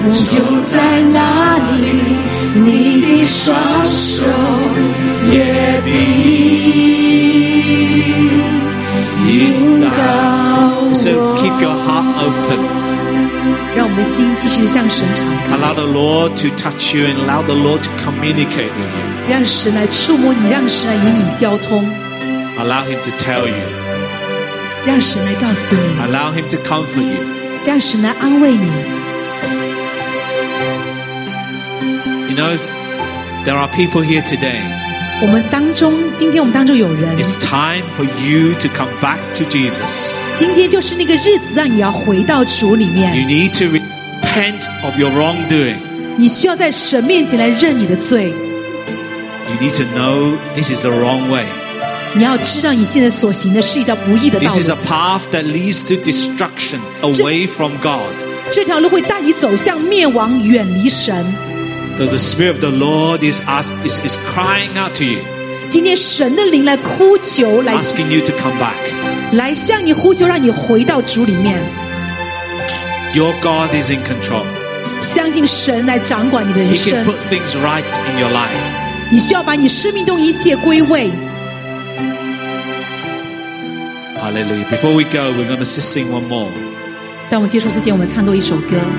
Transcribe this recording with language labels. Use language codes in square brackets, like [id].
[zh] 就在那里你的双手也必引导我。 [en] So keep your heart open. [zh] 让我们的心继续向神敞开。 [en] Allow the Lord to touch you and allow the Lord to communicate with you. [zh] 让神来触摸你，让神来与你交通。 [en] Allow Him to tell you. [zh] 让神来告诉你。 [en] Allow him to comfort you. [zh] 让神来安慰你。 [en] You know, there are people here today. [zh] 我们当中，今天我们当中有人。 [en] It's time for you to come back to Jesus. [zh] 今天就是那个日子，让你要回到主里面。 [en] You need to repent of your wrongdoing. [zh] 你需要在神面前来认你的罪。 [en] You need to know this is the wrong way. [zh] 你要知道你现在所行的是一条不义的道路。 [en] This is a path that leads to destruction away from God. [zh] 这条路会带你走向灭亡，远离神。 [en] So the Spirit of the Lord is crying out to you. [zh] 今天神的灵来哭求，来 [en] asking you to come back. [zh] 来向你呼求，让你回到主里面。 [en] Your God is in control. [zh] 相信神来掌管你的人生。 [en] He can put things right in your life. [zh] 你需要把你生命中一切归位。 [en] Hallelujah. Before we go, we're going to sing one more. [zh] 在我们结束之前，我们唱多一首歌。